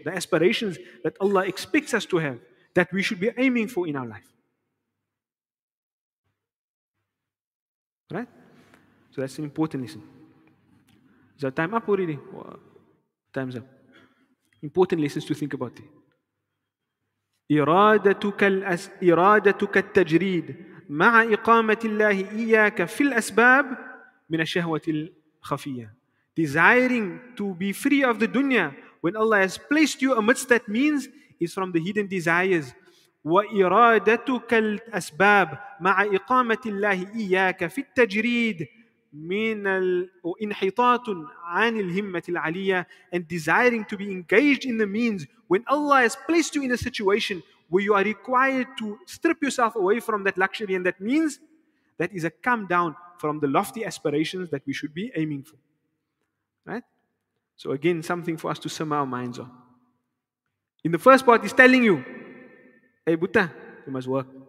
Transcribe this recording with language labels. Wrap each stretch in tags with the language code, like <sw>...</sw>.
<en>The aspirations that Allah expects us to have, that we should be aiming for in our life. Right? So that's an important lesson. Is our time up already? Time's up. Important lessons to think about.</en> <ar>إرادتك التجريد مع إقامة الله إياك في الأسباب من الشهوة الخفية.</ar> <en>Desiring to be free of the dunya when Allah has placed you amidst that means is from the hidden desires.</en> <ar>وإرادتك الأسباب مع إقامة الله إياك في التجريد من الانحطاط عن الهمة العالية.</ar> <en>And desiring to be engaged in the means when Allah has placed you in a situation where you are required to strip yourself away from that luxury and that means, that is a come down from the lofty aspirations that we should be aiming for. Right? So again, something for us to sum our minds on. In the first part, he's telling you, hey, Buddha, you must work.</en>